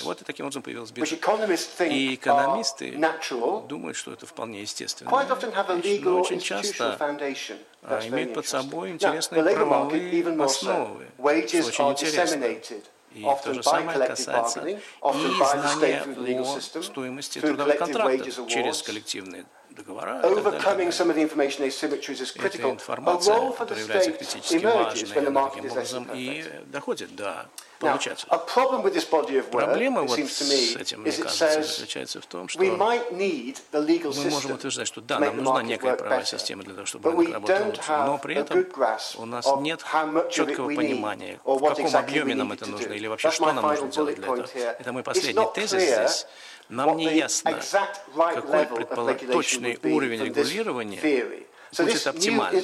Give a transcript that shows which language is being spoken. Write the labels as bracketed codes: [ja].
[ru] Вот и таким образом появилась биржа. И экономисты думают, что это вполне естественно. Но очень часто имеют под собой интересные правовые основы, что очень интересно. И то же самое касается и знания о стоимости трудовых контрактов через коллективные [en] overcoming some of the information asymmetries is critical. A role for the state emerges when the market is less perfect. Now, a problem with this body of work, it seems to me, is it says we might need the legal system to make the market work better, [ru] для того, чтобы рынок работал лучше. Но при этом у нас нет четкого понимания, в каком объеме нам это нужно или вообще что нам нужно делать для этого. Это мой последний тезис здесь. Нам не ясно, какой точный уровень регулирования будет оптимальным.